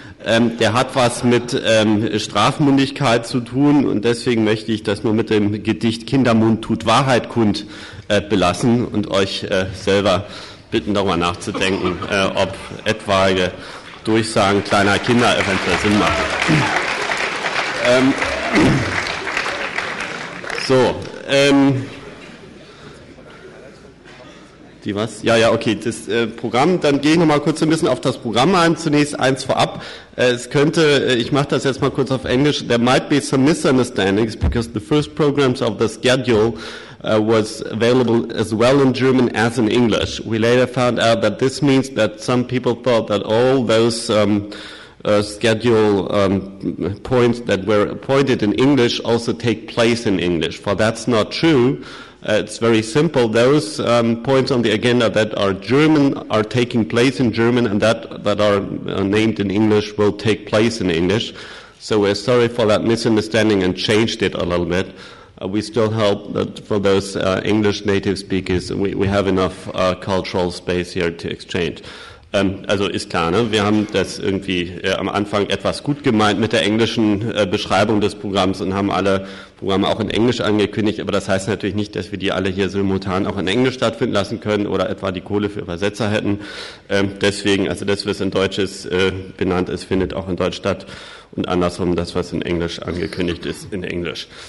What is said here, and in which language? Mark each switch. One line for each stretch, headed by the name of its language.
German: Der hat was mit Strafmündigkeit zu tun, und deswegen möchte ich das nur mit dem Gedicht Kindermund tut Wahrheit kund belassen und euch selber bitten, darüber nachzudenken, ob etwaige Durchsagen kleiner Kinder eventuell Sinn machen. Die was? Ja, okay, das Programm, dann gehe ich nochmal kurz ein bisschen auf das Programm ein, zunächst eins vorab. Ich mache das jetzt mal kurz auf Englisch.
English: There might be some misunderstandings because the first programs of the schedule was available as well in German as in English. We later found out that this means that some people thought that all those schedule points that were appointed in English also take place in English. For that's not true. It's very simple. Those points on the agenda that are German are taking place in German, and that are named in English will take place in English. So we're sorry for that misunderstanding and changed it a little bit. We still hope that for those English native speakers, we have enough cultural space here to exchange.
German: Also ist klar, ne? Wir haben das irgendwie am Anfang etwas gut gemeint mit der englischen Beschreibung des Programms und haben alle Programme auch in Englisch angekündigt, aber das heißt natürlich nicht, dass wir die alle hier simultan auch in Englisch stattfinden lassen können oder etwa die Kohle für Übersetzer hätten. Deswegen, also das, was in Deutsch ist, benannt ist, findet auch in Deutsch statt, und andersrum das, was in Englisch angekündigt ist, in Englisch.